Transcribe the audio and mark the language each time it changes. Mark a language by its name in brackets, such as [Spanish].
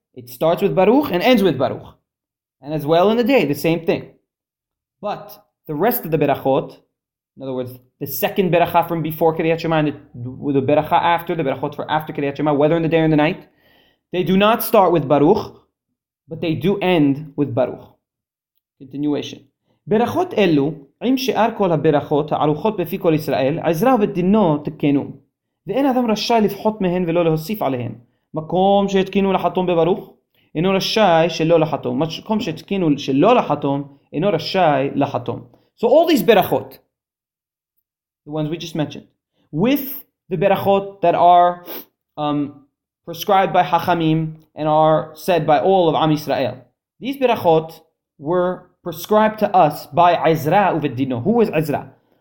[English] It starts with Baruch and ends with Baruch. And as well in the day, the same thing. But the rest of the Berachot, in other words, the second Beracha from before Kiryat Shema and the Beracha after, the Berachot for after Kiryat Shema, whether in the day or in the night, they do not start with Baruch, but they do end with Baruch. Continuation. [Hebrew] Berachot Elu, עם שאר כל הברכות הערוכות בפי כל ישראל, עזרא ודינו תקנו. ואין אדם רשאי לפחות מהן ולא להוסיף עליהן. מקום שהתקינו לחתום בברוך, אינו רשאי שלא לחתום. מקום שהתקינו שלא לחתום, אינו רשאי לחתום. [English] So all these ברכות, the ones we just mentioned, with the ברכות that are prescribed by חכמים and are said by all of Am Israel, these ברכות were prescribed to us by Ezra Uvedino. Who was Ezra?